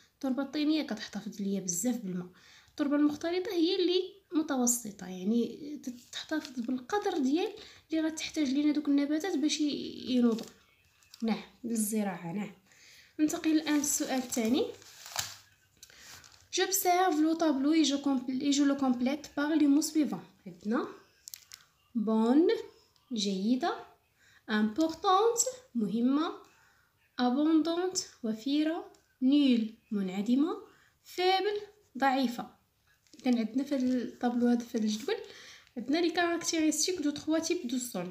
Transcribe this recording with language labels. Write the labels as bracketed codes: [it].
[ar] التربة الطينية كتحتفظ ليا بزاف بالماء. التربة المختلطة هي اللي متوسطة، يعني تحتفظ بالقدر ديال اللي غتحتاج لينا دوك النباتات باش ينوضوا. نعم، للزراعة. نعم، ننتقل الآن للسؤال الثاني. [fr] J'observe le tableau et je le complète par les mots suivants. Bonne, جيدة. Importante, مهمة. Abondante, وفيرة. Nulle, منعدمة. Faible, ضعيفة. [ar] كان عندنا في الطابلو هذا في الجدول عندنا لي كاركتيرستيك دو 3 تيب دو سول.